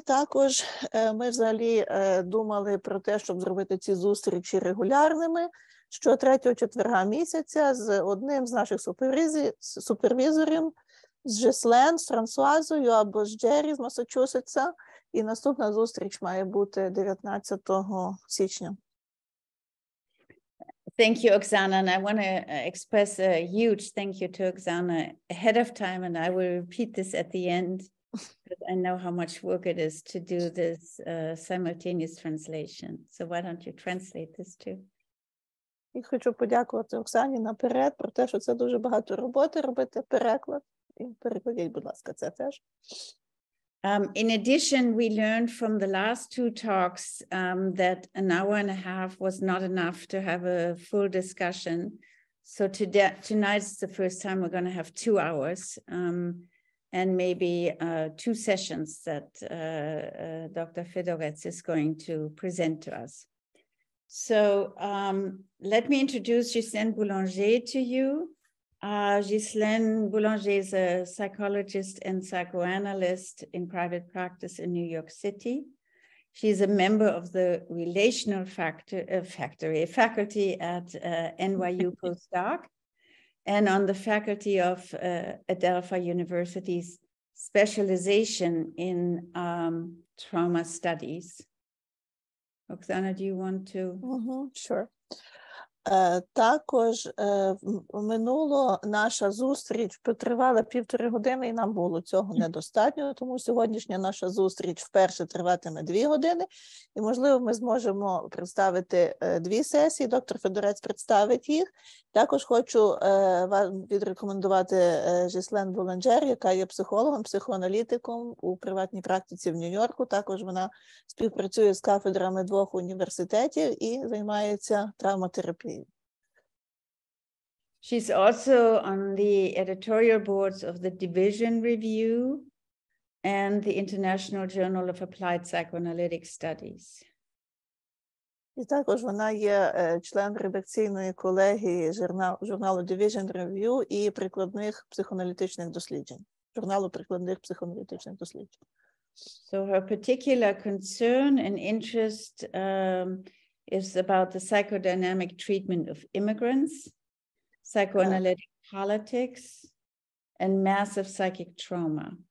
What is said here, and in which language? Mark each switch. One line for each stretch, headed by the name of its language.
Ukrainian: Також ми взагалі думали про те, щоб зробити ці зустрічі регулярними, що третього четверга місяця з одним з наших супервізорів, з Жеслен, з Франсуазою або з Джері з Масачусетса. І наступна зустріч має бути 19 січня.
English: Thank you, Oksana. And I want to express a huge thank you to Oksana ahead of time. And I will repeat this at the end, because I know how much work it is to do this simultaneous translation. So why don't you translate this too?
Ukrainian: І хочу подякувати Оксані наперед про те, що це дуже багато роботи робити, переклад. І перекладіть, будь ласка, це теж.
English: In addition, we learned from the last two talks that an hour and a half was not enough to have a full discussion. So tonight's the first time we're going to have 2 hours and maybe two sessions that Dr. Fedoretz is going to present to us. So let me introduce Ghislaine Boulanger to you. Ghislaine Boulanger is a psychologist and psychoanalyst in private practice in New York City. She's a member of the relational faculty at NYU Postdoc and on the faculty of Adelphi University's specialization in trauma studies. Оксана, do you want to? Sure.
Ukrainian: Також минуло наша зустріч потривала 1.5 години, і нам було цього недостатньо, тому сьогоднішня наша зустріч вперше триватиме 2 години, і, можливо, ми зможемо представити 2 сесії, доктор Федорець представить їх. Також хочу вам відрекомендувати Ghislaine Boulanger, яка є психологом, психоаналітиком у приватній практиці в Нью-Йорку. Також вона співпрацює з кафедрами 2 університетів і займається травматерапією.
English: She's also on the editorial boards of the Division Review and the International Journal of Applied Psychoanalytic Studies.
Ukrainian: І також вона є член редакційної колегії журналу Division Review і прикладних психоаналітичних досліджень. Журналу прикладних психоаналітичних досліджень.
English: So her particular concern and interest is about the psychodynamic treatment of immigrants, psychoanalytic politics, and massive psychic trauma.